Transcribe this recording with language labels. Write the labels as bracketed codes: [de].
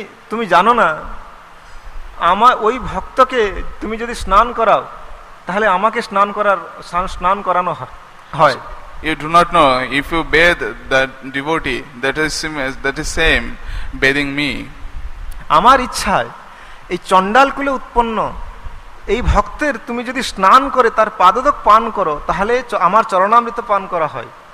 [bn] তুমি জানো না আমার ওই ভক্তকে তুমি যদি স্নান করাও তাহলে আমাকে স্নান করানো হয়। [en] You do not know, if you bathe that devotee, that is same bathing me. [bn] আমার ইচ্ছায় এই চণ্ডাল কুলে উৎপন্ন এই ভক্তের তুমি যদি স্নান করে তার পাদদক পান করো তাহলে আমার চরণামৃত পান করা হয়।